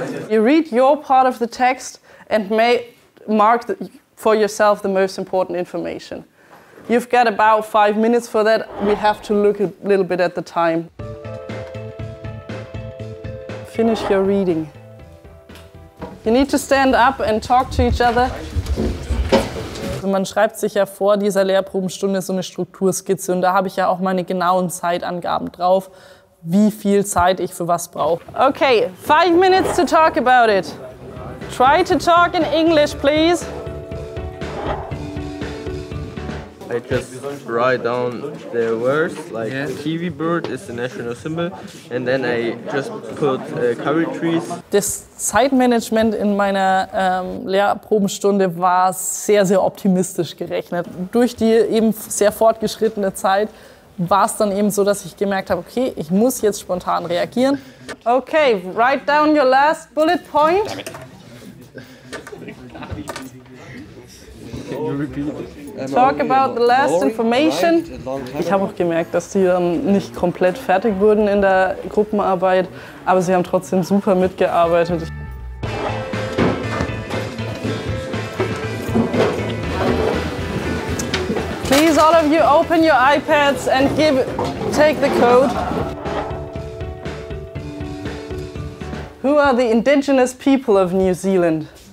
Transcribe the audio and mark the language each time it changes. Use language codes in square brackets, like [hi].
[en] You read your part of the text and may mark for yourself the most important information. You've got about 5 minutes for that. We have to look a little bit at the time. Finish your reading. You need to stand up and talk to each other. [de] Man schreibt sich ja vor dieser Lehrprobenstunde so eine Strukturskizze und da habe ich ja auch meine genauen Zeitangaben drauf, wie viel Zeit ich für was brauche. [en] Okay, 5 minutes to talk about it. Try to talk in English, please. I just write down the words, like yeah. Kiwi bird is the national symbol, and then I just put curry trees. [de] Das Zeitmanagement in meiner Lehrprobenstunde war sehr, sehr optimistisch gerechnet. Durch die eben sehr fortgeschrittene Zeit war es dann eben so, dass ich gemerkt habe, okay, ich muss jetzt spontan reagieren. [en] Okay, write down your last bullet point. Can you repeat it? Talk about the last information. [de] Ich habe auch gemerkt, dass die dann nicht komplett fertig wurden in der Gruppenarbeit, aber sie haben trotzdem super mitgearbeitet. [en] Please, all of you, open your iPads and take the code. Who are the indigenous people of New Zealand?